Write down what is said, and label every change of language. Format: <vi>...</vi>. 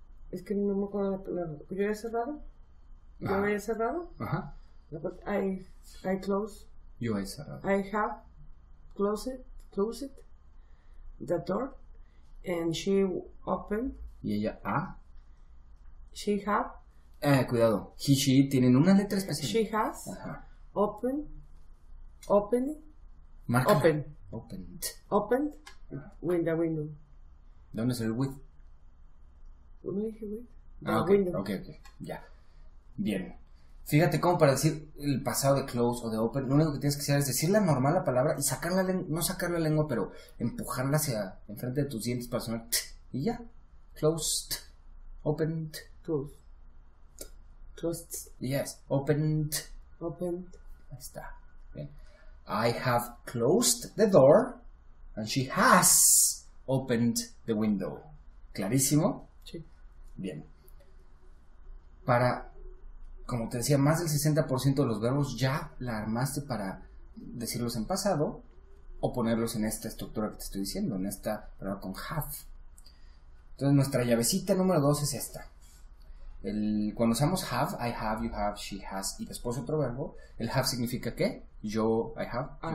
<es>Es que no me acuerdo yo he cerrado. Yo he cerrado. Ajá.</es> <en>I close.</en> <es>Yo he cerrado.</es> <en>I have closed the door and she opened.</en> <es>Y ella ha.</es> <en>She have.</en> <es>Cuidado. He, she tienen una letra especial.</es> <en>She has. Ajá. Open. Open.</en> <es>Marca.</es> <en>Open. Opened. Opened. With the window.</en> <es>¿Dónde salió el with? ¿Dónde dije with? Ah, okay.</es> <en>Window.</en> <es>Ok. Ya. Bien. Fíjate cómo para decir el pasado de close o de open, lo único que tienes que hacer es decir la normal la palabra y sacar la lengua, no sacar la lengua, pero empujarla hacia enfrente de tus dientes para sonar t, y ya.</es> <en>Closed. Opened. Closed. Yes. Opened. Opened.</en> <es>Ahí está. Bien.</es> <en>I have closed the door and she has opened the window.</en> <es>¿Clarísimo? Sí. Bien. Para, como te decía, más del 60% de los verbos ya la armaste para decirlos en pasado o ponerlos en esta estructura que te estoy diciendo, en esta palabra con have. Entonces, nuestra llavecita número 2 es esta. Cuando usamos have,</es> <en>I have, you have, she has,</en> <es>y después otro verbo, el have significa ¿qué? Yo, I have.</es>